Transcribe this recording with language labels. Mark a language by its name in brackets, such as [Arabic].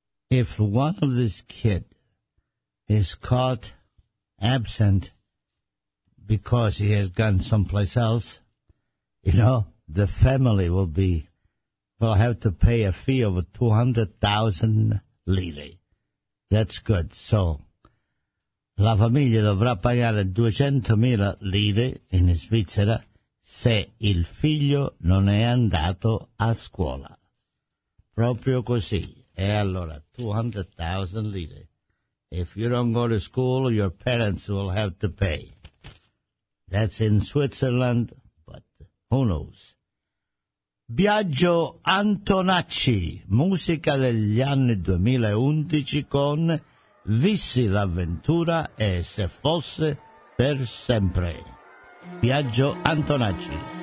[English] If one of this kid is caught absent because he has gone someplace else, you know, the family will have to pay a fee of 200,000 lire. That's good. [Italian] So la famiglia dovrà pagare 200.000 lire in Svizzera se il figlio non è andato a scuola. Proprio così. E allora, 200.000 lire. [English] If you don't go to school, your parents will have to pay. That's in Switzerland, but who knows? [Italian] Biagio Antonacci, musica degli anni 2011 con Vissi l'avventura e se fosse per sempre. Biagio Antonacci.